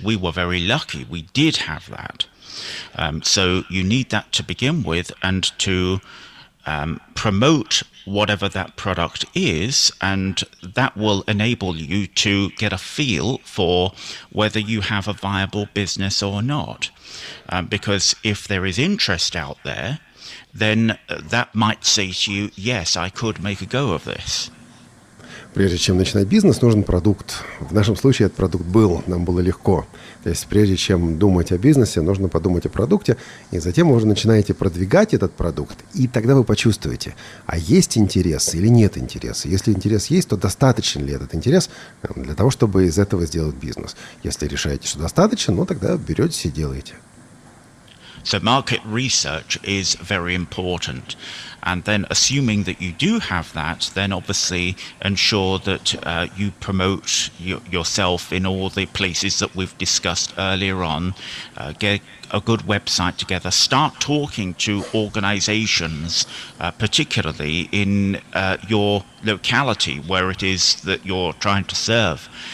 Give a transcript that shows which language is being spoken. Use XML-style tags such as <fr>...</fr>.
<en>We were very lucky. We did have that. So you need that to begin with, and to promote whatever that product is, and that will enable you to get a feel for whether you have a viable business or not. Because if there is interest out there, then that might say to you, yes, I could make a go of this.</en> <ru>Прежде чем начинать бизнес, нужен продукт. В нашем случае этот продукт был, нам было легко. То есть прежде чем думать о бизнесе, нужно подумать о продукте, и затем уже начинаете продвигать этот продукт, и тогда вы почувствуете, а есть интерес или нет интереса. Если интерес есть, то достаточен ли этот интерес для того, чтобы из этого сделать бизнес. Если решаете, что достаточно, ну тогда беретесь и делаете.</ru> <en>So market research is very important. And then assuming that you do have that, then obviously ensure that you promote yourself in all the places that we've discussed earlier on. Get a good website together. Start talking to organizations, particularly in your locality where it is that you're trying to serve.</en>